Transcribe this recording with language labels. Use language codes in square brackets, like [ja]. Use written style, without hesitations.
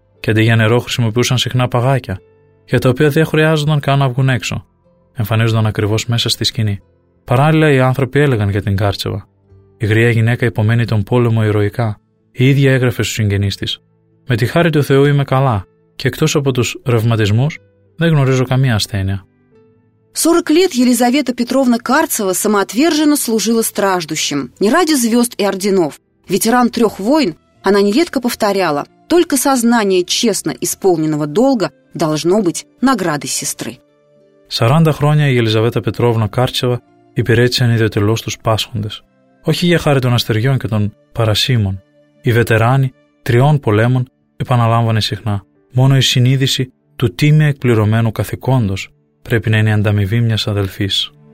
[el] Και αντί για νερό χρησιμοποιούσαν συχνά παγάκια, για τα οποία δεν χρειάζονταν καν να βγουν έξω. Εμφανίζονταν ακριβώς μέσα στη σκηνή. Παράλληλα, οι άνθρωποι έλεγαν για την Κάρτσεβα: «Η γριά γυναίκα υπομένει τον πόλεμο ηρωικά». Η ίδια έγραφε στους συγγενείς της: «Με τη χάρη του Θεού είμαι καλά και εκτός από τους ρευματισμούς δεν γνωρίζω καμία ασθένεια». [ru] 40 лет Елизавета Петровна Карцева самоотверженно служила страждущим. Не ради звезд и орденов. Ветеран трех войн, она нередко повторяла: «Только сознание честно исполненного долга должно быть наградой сестры». [el] 40 χρόνια η Ελισαβέτα Πετρόβνα Κάρτσεβα υπηρέτησε ανιδιωτελώς τους πάσχοντες. Όχι για χάρη των αστεριών και των παρασύμων. Οι βετεράνοι τριών πολέμων επαναλάμβανε συχνά: «Μόνο η συνείδηση του τίμια εκπληρωμένου καθηκόντος πρέπει να είναι η ανταμοιβή μιας αδελφής».